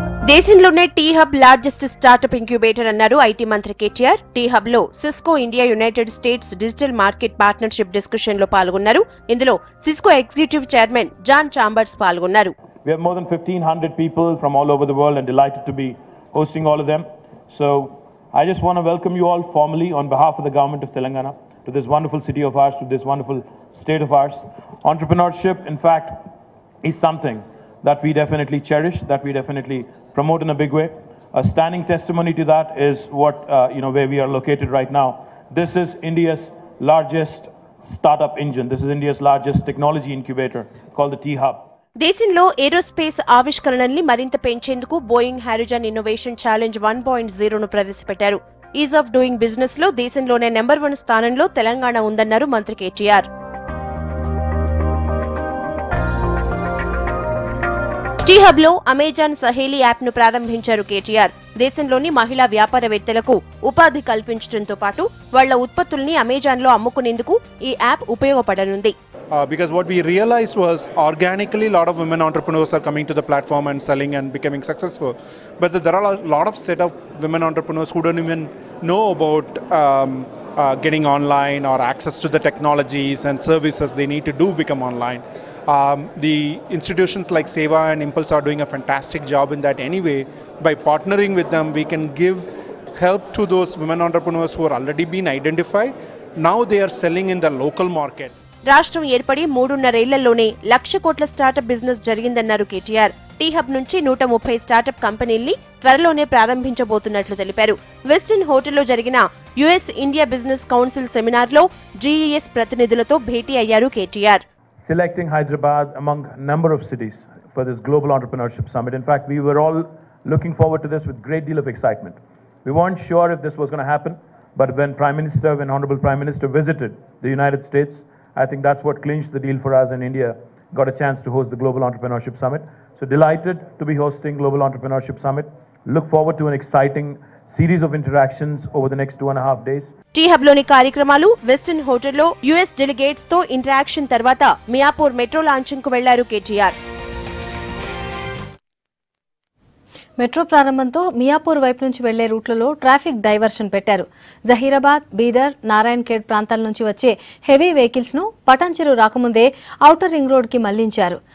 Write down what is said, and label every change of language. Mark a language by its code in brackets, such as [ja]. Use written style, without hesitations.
[te] దేశంలోనే T Hub largest startup incubator అన్నారు IT మంత్రి కేటీఆర్. టీహబ్ లో Cisco India United states digital market partnership discussion లో పాల్గొన్నారు. ఇందులో Cisco executive chairman John chambers పాల్గొన్నారు. [en] We have more than 1500 people from all over the world and delighted to be hosting all of them. So I just want to welcome you all formally on behalf of the government of Telangana to this wonderful city of ours, to this wonderful state of ours. Entrepreneurship in fact is something that we definitely cherish, that we definitely promote in a big way. A standing testimony to that is what where we are located right now. This is India's largest startup engine. This is India's largest technology incubator called the T Hub. [te] దేశంలో aerospace ఆవిష్కరణల్ని మరింత పెంచేందుకు Boeing Horizon innovation challenge 1.0ను ప్రవేశపెట్టారు. Is of doing business లో దేశంలోనే number 1 స్థానంలో తెలంగాణ ఉందన్నారు మంత్రి KTR. Tea hub లో అమెజాన్ సహేలి యాప్ను ప్రారంభించారు కేటీఆర్. దేశంలోని మహిళా వ్యాపారవేత్తలకు ఉపాధి కల్పించడంతో పాటు వాళ్ల ఉత్పత్తుల్ని అమెజాన్ లో అమ్ముకునేందుకు ఈ app ఉపయోగపడనుంది. [en] Because what we realized was organically a lot of women entrepreneurs are coming to the platform and selling and becoming successful. But there are a lot of set of women entrepreneurs who don't even know about getting online or access to the technologies and services they need to do become online. The institutions like Seva and Impulse are doing a fantastic job in that anyway. By partnering with them, we can give help to those women entrepreneurs who are already been identified. Now they are selling in the local market. [te] రాష్ట్రం ఏర్పడి 3.5 ఏళ్లలోనే 100,000 కోట్ల startup business జరిగిందన్నారు KTR. T Hub నుంచి 130 startup కంపెనీల్ని త్వరలోనే ప్రారంభించబోతున్నట్లు తెలిపారు. Western హోటల్లో జరిగిన US India business council seminar లో జీఈఎస్ ప్రతినిధులతో భేటీ అయ్యారు KTR. [en] Selecting Hyderabad among number of cities for this global entrepreneurship summit. In fact we were all looking forward to this with great deal of excitement. We weren't sure if this was gonna happen but when prime minister when honourable prime minister visited the united states I think that's what clinched the deal for us in India, got a chance to host the Global Entrepreneurship Summit. So delighted to be hosting Global Entrepreneurship Summit. Look forward to an exciting series of interactions over the next 2.5 days. [te] T-Hub లోని కార్యక్రమాలు western హోటల్లో US delegates తో interaction తర్వాత Miyapur metro launching కు వెళ్లారు KTR. Metro ప్రారంభంతో Miyapur వైపు నుంచి వెళ్లే రూట్లలో ట్రాఫిక్ డైవర్షన్ పెట్టారు. జహీరాబాద్, బీదర్, నారాయణ్ ఖేడ్ ప్రాంతాల నుంచి వచ్చే హెవీ వెహికల్స్ ను పటాన్చెరు రాకముందే ఔటర్ రింగ్ రోడ్కి మళ్లించారు.